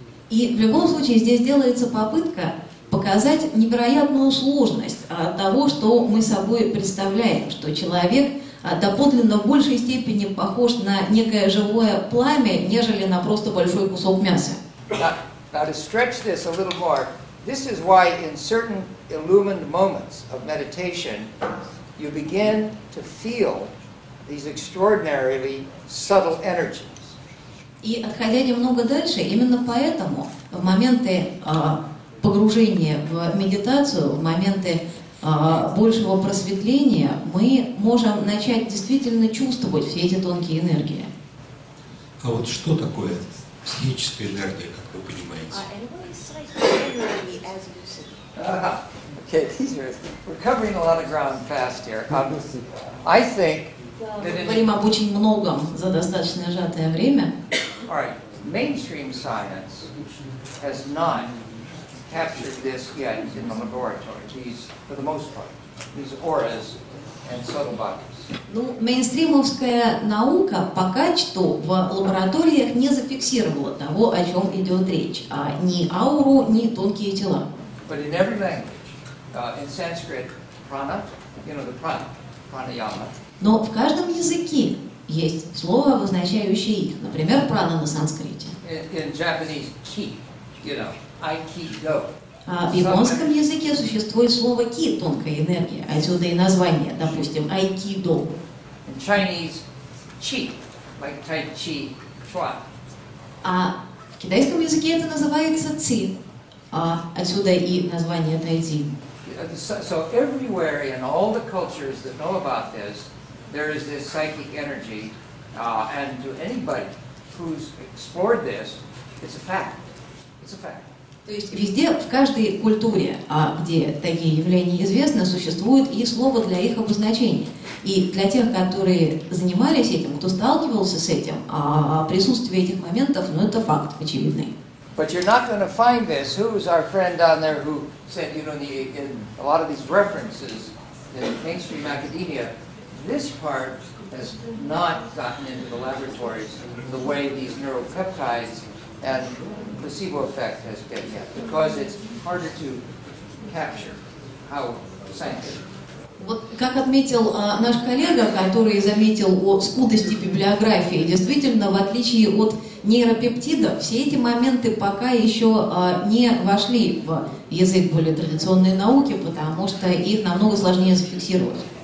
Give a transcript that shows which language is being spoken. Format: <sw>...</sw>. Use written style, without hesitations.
<ru>И в любом случае здесь делается попытка показать невероятную сложность того, что мы собой представляем, что человек доподлинно в большей степени похож на некое живое пламя, нежели на просто большой кусок мяса.</ru> <en>Now to stretch this a little more, this is why in certain illumined moments of meditation you begin to feel these extraordinarily subtle energies.</en> <ru>И отходя немного дальше, именно поэтому в моменты погружения в медитацию, в моменты большего просветления, мы можем начать действительно чувствовать все эти тонкие энергии. А вот что такое психическая энергия, как вы понимаете?</ru> <en>Okay, these are, we're covering a lot of ground fast here. I think that</en> <ru>мы говорим об очень многом за достаточно сжатое время.</ru> <en>All right, mainstream science has not captured this yet in the laboratory. These, for the most part, these auras and subtle bodies.</en> <ru>Ну, мейнстримовская наука пока что в лабораториях не зафиксировала того, о чем идет речь, а ни ауру, ни тонкие тела.</ru> <en>But in every language. In Sanskrit, prana, you know, the prana, pranayama.</en> <ru>Но в каждом языке есть слово, обозначающее их. Например, прана на санскрите.</ru> <en>In Japanese, ki, you know, aikido.</en> <ru>В японском языке существует слово ki, тонкая энергия. Отсюда и название, допустим, aikido.</ru> <en>In Chinese, qi, like tai chi, chuan.</en> <ru>А в китайском языке это называется ци. Отсюда и название tai chi.</ru> <en>So everywhere in all the cultures that know about this, there is this psychic energy, and to anybody who's explored this, it's a fact. It's a fact.</en> <ru>То есть везде, в каждой культуре, где такие явления известны, существует и слово для их обозначения. И для тех, которые занимались этим, кто сталкивался с этим, присутствие этих моментов, ну это факт очевидный.</ru> <en>But you're not going to find this. Who's our friend down there who said, you know, in a lot of these references in mainstream academia, this part has not gotten into the laboratories the way these neuropeptides and placebo effect has been yet, because it's harder to capture how scientific.</en> <ru>Вот как отметил наш коллега, который заметил о скудости библиографии, действительно, в отличие от нейропептидов, все эти моменты пока еще не вошли в язык более традиционной науки, потому что их намного сложнее зафиксировать.</ru>